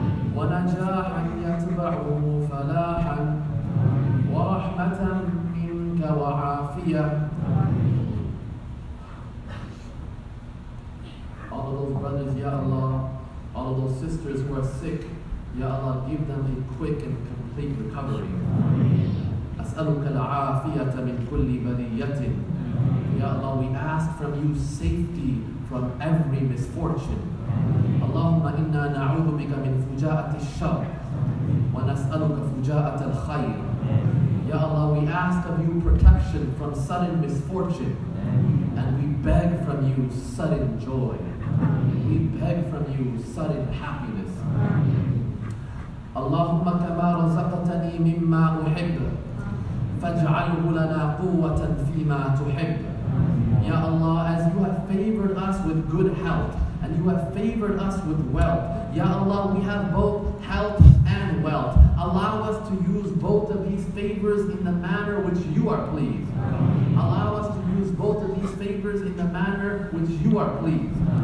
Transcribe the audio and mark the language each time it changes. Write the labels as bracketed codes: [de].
[ar] ونجاحا يتبعه فلاحا ورحمة منك وعافية. [en] All of those brothers, Ya Allah, all of those sisters who are Ya Allah, give them a quick and complete recovery. [ar] أسألك العافية من كل بلية. [en] Ya Allah, we ask from you safety from every misfortune. [ar] اللهم إنا نعوذ بك من فجاءة الشر ونسألك فجاءة الخير. [en] Ya Allah, we ask of you protection from sudden misfortune. And we beg from you sudden joy. We beg from you sudden happiness. [ar] اللهم كما رزقتني مما أحب فاجعله لنا قوة فيما تحب. [en] Ya Allah, as you have favored us with good health and you have favored us with wealth, Ya Allah, we have both health and wealth. Allow us to use both of these favors in the manner which you are pleased. Allow us to use both of these favors in the manner which you are pleased.